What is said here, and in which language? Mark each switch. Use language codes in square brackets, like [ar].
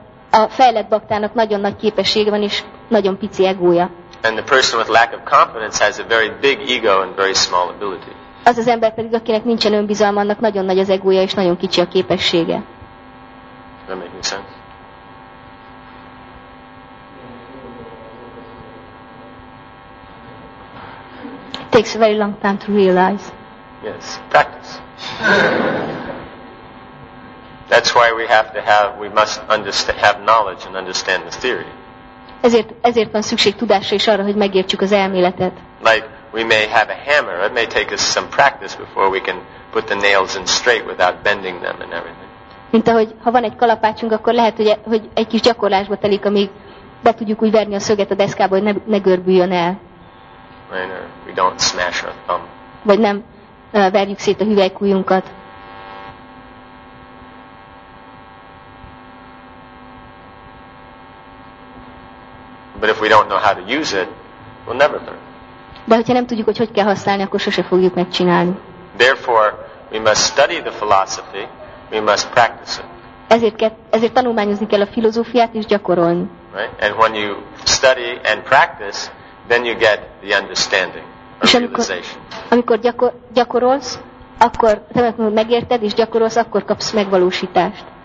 [hu] A fejlett baktának nagyon nagy képessége van és nagyon pici egója. [en] And the person with lack of confidence has a very big ego and very small ability. [hu] Az az ember pedig, akinek nincsen önbizalma, annak nagyon nagy az egója és nagyon kicsi a képessége. [en] That make any sense? It takes a very long time to realize. Yes, practice. That's why we have to have, we must understand, have knowledge and understand the theory. [hu] Ezért van szükség tudásra és arra, hogy megértsük az elméletet. [en] Like we may have a hammer. It may take us some practice before we can put the nails in straight without bending them and everything. [hu] Mint ahogy ha van egy kalapácsunk, akkor lehet, hogy egy kis gyakorlásba telik, amíg be tudjuk úgy verni a szöget a deszkába, hogy ne görbüljön el. [en] Or we don't smash our thumb. [hu] Vagy nem verjük szét a hüvelykujjunkat. [en] But if we don't know how to use it, we'll never learn. [hu] De hogyha nem tudjuk, hogy kell használni, akkor sose fogjuk megcsinálni. [en] Therefore, we must study the philosophy, we must practice it. [hu] Ezért tanulmányozni kell a filozófiát és gyakorolni. [en] Right? And when you study and practice, then you get the understanding, the realization. [hu] Amikor gyakorolsz, akkor te megérted és gyakorolsz, akkor kapsz megvalósítást.